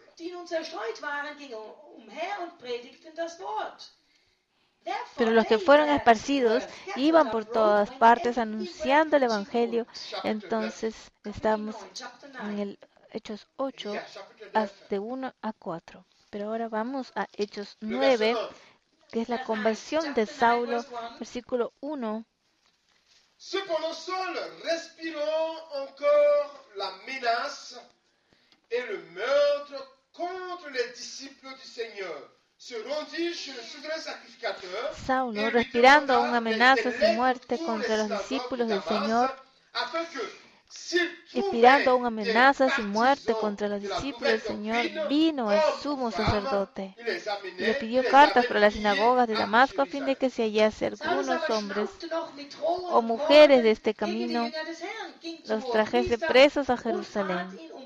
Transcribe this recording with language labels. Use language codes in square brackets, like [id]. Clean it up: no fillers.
[de] Die nun zerstreut waren, gingen umher und predigten das Wort. [es] Pero los que fueron esparcidos iban por todas partes anunciando el Evangelio. Entonces estamos en el Hechos 8, de 1 a 4. Pero ahora vamos a Hechos 9, que es la conversión de Saulo, versículo 1. [fr] Cependant Saul respirant encore la menace et le meurtre contre les disciples du Seigneur se rendit chez le souverain sacrificateur. [es] Saul respirando aún amenazas de muerte contra los discípulos del Señor, [fr] afin que [es] respirando aún amenazas y muerte contra los discípulos del Señor, vino el sumo sacerdote y le pidió cartas para las sinagogas de Damasco a fin de que se hallase algunos hombres o mujeres de este camino, los trajese presos a Jerusalén.